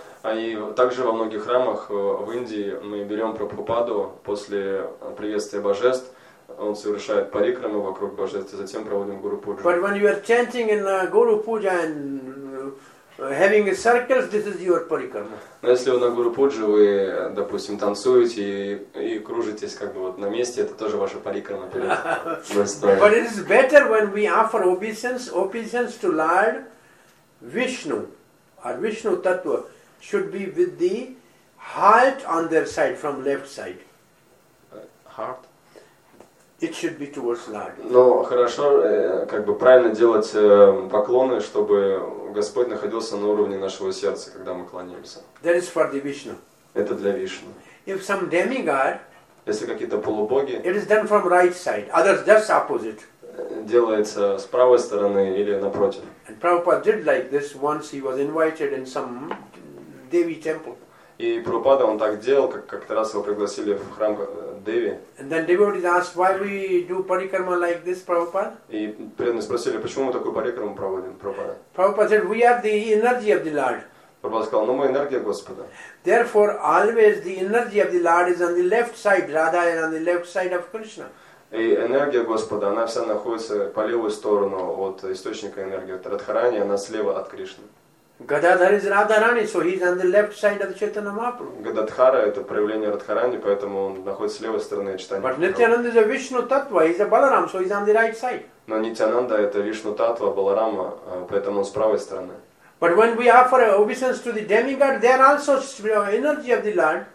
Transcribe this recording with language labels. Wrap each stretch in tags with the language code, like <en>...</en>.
<ru>А и также во многих храмах в Индии мы берем Прабхупаду после приветствия божеств, он совершает парикраму вокруг божества, затем проводим гуру пуджу.</ru> <en>But when you are chanting in guru puja and having circles, this is your parikrama.</en> <ru>Но если вы на гуру пуджу вы, допустим, танцуете и кружитесь как бы вот на месте, это тоже ваша парикрама перед божеством.</ru> <en>But it is better when we offer obeisance to Lord Vishnu. Our Vishnu Tattva should be with the heart on their side, from left side. Heart? It should be towards Lord.</en> <ru>Но хорошо, как бы правильно делать поклоны, чтобы Господь находился на уровне нашего сердца, когда мы клонимся.</ru> <en>That is for the Vishnu.</en> <ru>Это для Вишну.</ru> <en>If some demigod,</en> <ru>если какие-то полубоги,</ru> <en>it is done from right side. Others just opposite.</en> <ru>Делается с правой стороны или напротив.</ru> <en>And Prabhupada did like this once. He was invited in some Devi temple.</en> <ru>И Прабхупада он так делал, как-то раз его пригласили в храм Деви.</ru> <en>And then devotees asked, why we do parikrama like this, Prabhupada?</en> <ru>И преданные спросили, почему мы такую парикраму проводим, Прабхупада?</ru> <en>Prabhupada said, we are the energy of the Lord.</en> <ru>Прабхупада сказал, мы энергия Господа.</ru> <en>Therefore, always the energy of the Lord is on the left side, Radha, and on the left side of Krishna.</en> <ru>И энергия Господа, она вся находится по левую сторону от источника энергии, от Радхарани, она слева от Кришны.</ru> <en>Гададхара is Radharani, so he's on the left side of the Chaitanya Mahaprabhu.</en> <ru>Гададхара это проявление Радхарани, поэтому он находится с левой стороны Чайтанья Махапрабху.</ru> <en>But Nityananda is a Vishnu Tattva, he's a Balarama, so he's on the right side.</en> <ru>Но Нитянанда это Вишну Таттва, Баларама, поэтому он с правой стороны.</ru> <en>But when we offer obeisance to the demigod, they are also energy of the Lord.</en>